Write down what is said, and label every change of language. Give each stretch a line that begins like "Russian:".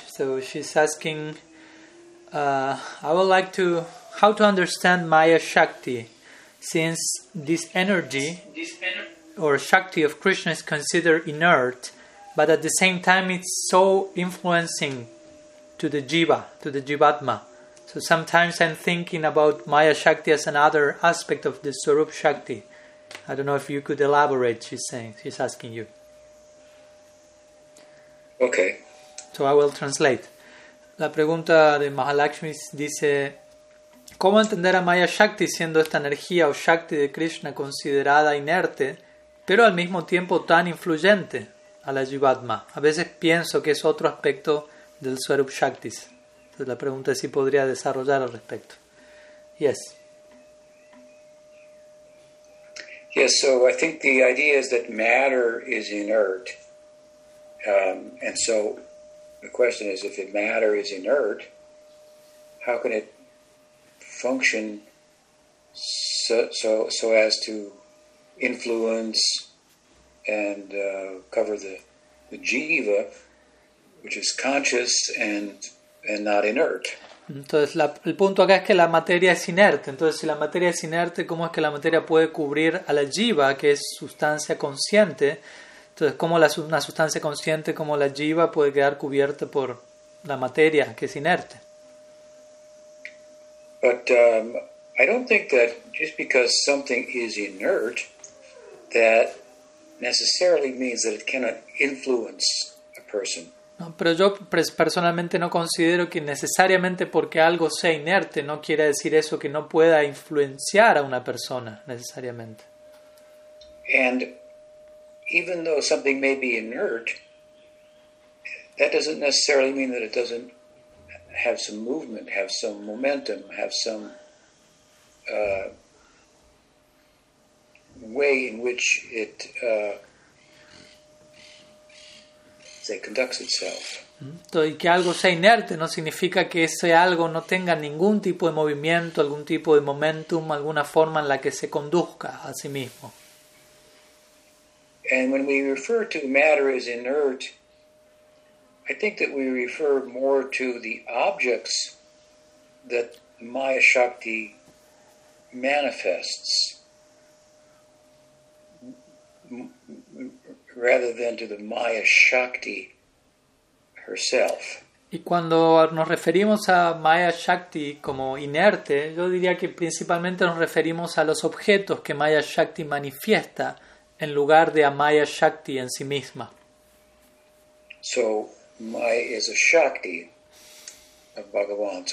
English: So she's asking, I would like to, how to understand Maya Shakti, since this energy or Shakti of Krishna is considered inert, but at the same time it's so influencing to the Jiva, to the Jivatma. So sometimes I'm thinking about Maya Shakti as another aspect of the Swarup Shakti. I don't know if you could elaborate, she's asking you. Okay. So I will translate.
Spanish: La pregunta de Mahalakshmi dice, ¿cómo entender a Maya Shakti siendo esta energía o Shakti de Krishna considerada inerte, pero al mismo tiempo tan influyente a la Jivatma? A veces pienso que es otro aspecto del Swarup Shakti. Entonces la pregunta es si podría desarrollar al respecto.
English: Yes. Yes, so I think the idea is that matter is inert. And so the question is, if matter is inert, how can it function so as to influence and cover the jiva, which is conscious and not inert?
Spanish: Entonces, el punto acá es que la materia es inerte. Entonces, si la materia es inerte, ¿cómo es que la materia puede cubrir a la jiva, que es sustancia consciente? Entonces, ¿cómo una sustancia consciente como la jiva puede quedar cubierta por la materia, que es inerte?
English: But I don't think that just because something is inert, that necessarily means that it cannot influence a person.
Spanish: No, pero yo personalmente no considero que necesariamente porque algo sea inerte no quiere decir eso, que no pueda influenciar a una persona necesariamente.
English: And even though something may be inert, that doesn't necessarily mean that it doesn't have some movement, have some momentum, have some way in which it conducts itself.
Spanish: Entonces, que algo sea inerte no significa que ese algo no tenga ningún tipo de movimiento, algún tipo de momentum, alguna forma en la que se conduzca a sí mismo.
English: And when we refer to matter as inert, I think that we refer more to the objects that Maya Shakti manifests, rather than to the Maya Shakti herself.
Spanish: Y cuando nos referimos a Maya Shakti como inerte, yo diría que principalmente nos referimos a los objetos que Maya Shakti manifiesta en lugar de a Maya Shakti en sí misma.
English: So Maya is a Shakti of Bhagavan.